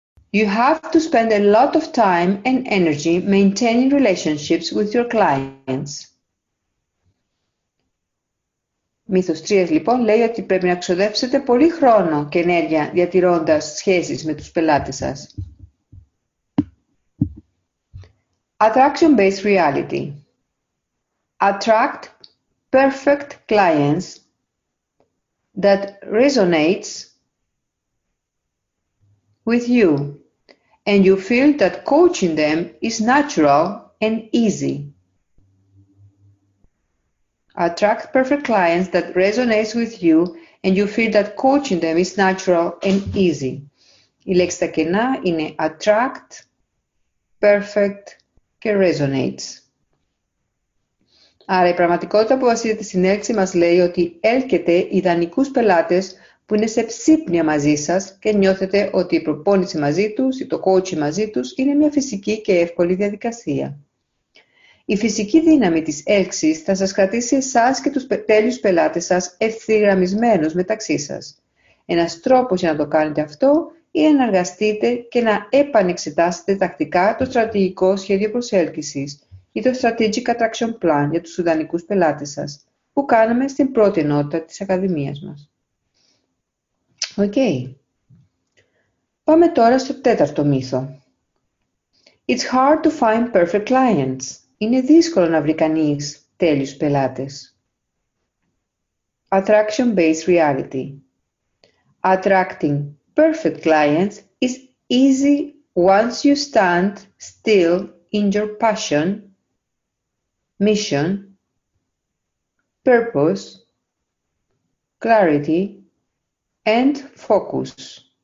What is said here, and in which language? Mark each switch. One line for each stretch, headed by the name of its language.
English: You have to spend a lot of time and energy maintaining relationships with your clients.
Greek: Μύθος 3 λοιπόν λέει ότι πρέπει να ξοδέψετε πολύ χρόνο και ενέργεια διατηρώντας σχέσεις με τους πελάτες σας.
English: Attraction-based reality. Attract perfect clients that resonates with you and you feel that coaching them is natural and easy. Attract perfect clients that resonates with you and you feel that coaching them is natural and easy.
Greek: Η λέξη τα κενά είναι attract, perfect και resonates. Άρα η πραγματικότητα που βασίζεται στην έλξη μας λέει ότι έλκετε ιδανικούς πελάτες που είναι σε ψύπνια μαζί σας και νιώθετε ότι η προπόνηση μαζί τους ή το coaching μαζί τους είναι μια φυσική και εύκολη διαδικασία. Η φυσική δύναμη της έλξης θα σας κρατήσει εσάς και τους τέλειους πελάτες σας ευθυγραμμισμένους μεταξύ σας. Ένας τρόπος για να το κάνετε αυτό είναι να εργαστείτε και να επανεξετάσετε τακτικά το στρατηγικό σχέδιο προσέλκυσης ή το Strategic Attraction Plan για τους ιδανικούς πελάτες σας, που κάναμε στην πρώτη ενότητα της Ακαδημίας μας. Okay. Πάμε τώρα στο τέταρτο μύθο.
English: It's hard to find perfect clients.
Greek: Είναι δύσκολο να βρει κανείς τέλειους πελάτες.
English: Attraction-based reality. Attracting perfect clients is easy once you stand still in your passion, mission, purpose, clarity, and focus.